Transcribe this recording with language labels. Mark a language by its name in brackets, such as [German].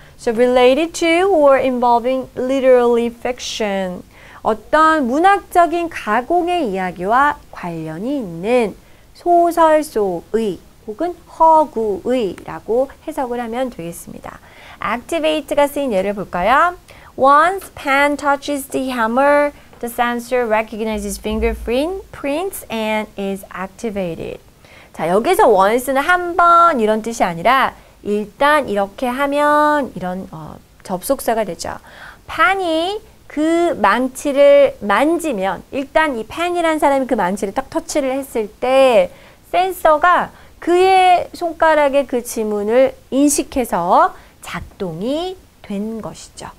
[English] So related to or involving literally fiction. [Korean] 어떤 문학적인 가공의 이야기와 관련이 있는 소설 속의 혹은 허구의 라고 해석을 하면 되겠습니다. Activate가 쓰인 예를 볼까요? [English] Once pen touches the hammer, the sensor recognizes fingerprints and is activated. [Korean] 자, 여기서 once는 한 번 이런 뜻이 아니라 일단 이렇게 하면 이런 접속사가 되죠. pen이 그 망치를 만지면 일단 이 펜이라는 사람이 그 망치를 딱 터치를 했을 때 센서가 그의 손가락의 그 지문을 인식해서 작동이 된 것이죠.